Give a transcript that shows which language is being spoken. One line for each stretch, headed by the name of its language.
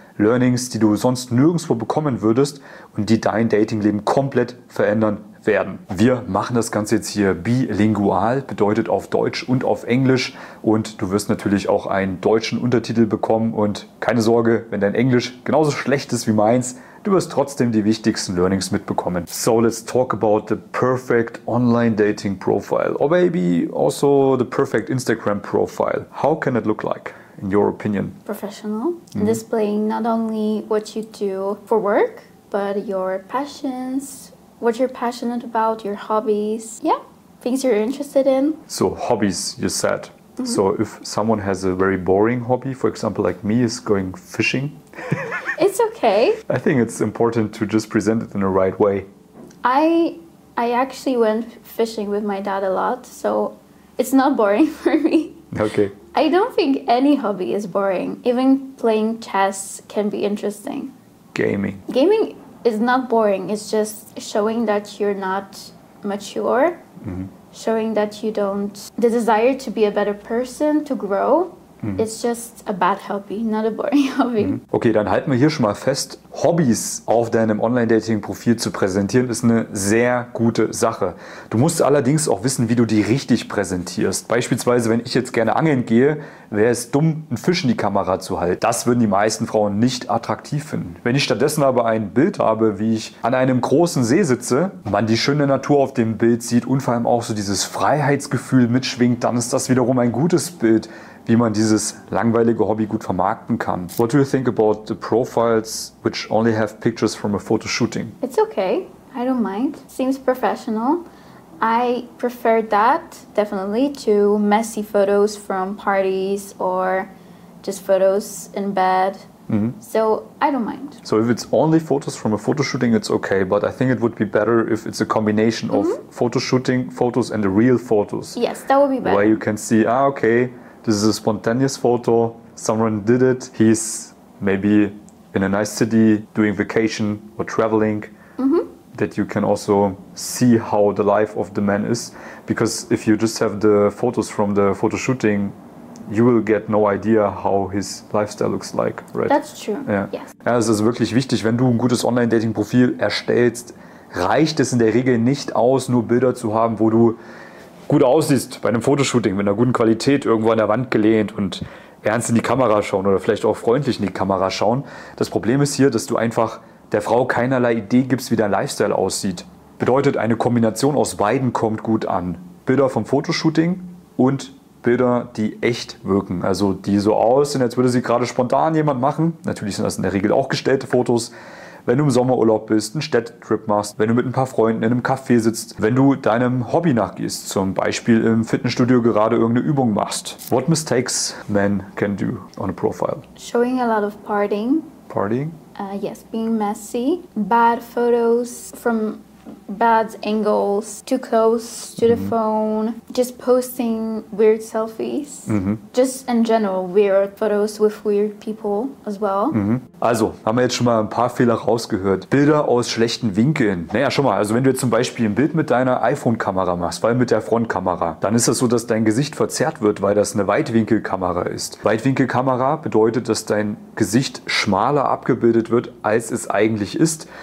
German: Learnings, die du sonst nirgendwo bekommen würdest und die dein Datingleben komplett verändern werden. Wir machen das Ganze jetzt hier bilingual, bedeutet auf Deutsch und auf Englisch. Und du wirst natürlich auch einen deutschen Untertitel bekommen. Und keine Sorge, wenn dein Englisch genauso schlecht ist wie meins, du wirst trotzdem die wichtigsten Learnings mitbekommen.
English: So, let's talk about the perfect online dating profile. Or maybe also the perfect Instagram profile. How can it look like, in your opinion? Professional. Mm-hmm. Displaying not only what you do for work, but your passions, what you're passionate about, your hobbies. Yeah, things you're interested in. So, hobbies, you said. Mm-hmm. So, if someone has a very boring hobby, for example, like me, is going fishing. It's okay. I think it's important to just present it in the right way. I actually went fishing with my dad a lot, so it's not boring for me. Okay. I don't think any hobby is boring. Even playing chess can be interesting. Gaming. Gaming is not boring. It's just showing that you're not mature. Mm-hmm. Showing that you don't... The desire to be a better person, to grow. Mm-hmm. It's just a bad hobby, not a boring hobby. Mm-hmm.
German: Okay, dann halten wir hier schon mal fest. Hobbys auf deinem Online-Dating-Profil zu präsentieren, ist eine sehr gute Sache. Du musst allerdings auch wissen, wie du die richtig präsentierst. Beispielsweise, wenn ich jetzt gerne angeln gehe, wäre es dumm, einen Fisch in die Kamera zu halten. Das würden die meisten Frauen nicht attraktiv finden. Wenn ich stattdessen aber ein Bild habe, wie ich an einem großen See sitze, man die schöne Natur auf dem Bild sieht und vor allem auch so dieses Freiheitsgefühl mitschwingt, dann ist das wiederum ein gutes Bild, wie man dieses langweilige Hobby gut vermarkten kann.
English: What do you think about the profiles which only have pictures from a photo shooting? It's okay. I don't mind. Seems professional. I prefer that, definitely, to messy photos from parties or just photos in bed. Mm-hmm. So, I don't mind. So, if it's only photos from a photo shooting, it's okay. But I think it would be better if it's a combination mm-hmm. of photo shooting photos and the real photos. Yes, that would be better. Where you can see, okay, this is a spontaneous photo. Someone did it. He's maybe in a nice city doing vacation or traveling. Mm-hmm. That you can also see how the life of the man is. Because if you just have the photos from the photo shooting, you will get no idea how his lifestyle looks like, right? That's true, yeah. Yes.
German: Ja, es ist wirklich wichtig, wenn du ein gutes Online-Dating-Profil erstellst, reicht es in der Regel nicht aus, nur Bilder zu haben, wo du gut aussiehst bei einem Fotoshooting, mit einer guten Qualität, irgendwo an der Wand gelehnt und ernst in die Kamera schauen oder vielleicht auch freundlich in die Kamera schauen. Das Problem ist hier, dass du einfach der Frau keinerlei Idee gibst, wie dein Lifestyle aussieht. Bedeutet, eine Kombination aus beiden kommt gut an. Bilder vom Fotoshooting und Bilder, die echt wirken. Also die so aussehen, als würde sie gerade spontan jemand machen. Natürlich sind das in der Regel auch gestellte Fotos. wenn du im Sommerurlaub bist, einen Städtetrip machst, wenn du mit ein paar Freunden in einem Café sitzt, wenn du deinem Hobby nachgehst, zum Beispiel im Fitnessstudio gerade irgendeine Übung machst.
English: What mistakes men can do on a profile? Showing a lot of partying. Partying? Yes, being messy. Bad photos from bad angles, too close to the phone, just posting weird selfies, just in general weird photos with weird people as well.
German: Also, haben wir jetzt schon mal ein paar Fehler rausgehört. Bilder aus schlechten Winkeln. Naja, schon mal, also wenn du jetzt zum Beispiel ein Bild mit deiner iPhone-Kamera machst, weil mit der Frontkamera, dann ist das so, dass dein Gesicht verzerrt wird, weil das eine Weitwinkelkamera ist. Weitwinkelkamera bedeutet, dass dein Gesicht schmaler abgebildet wird, als es eigentlich ist.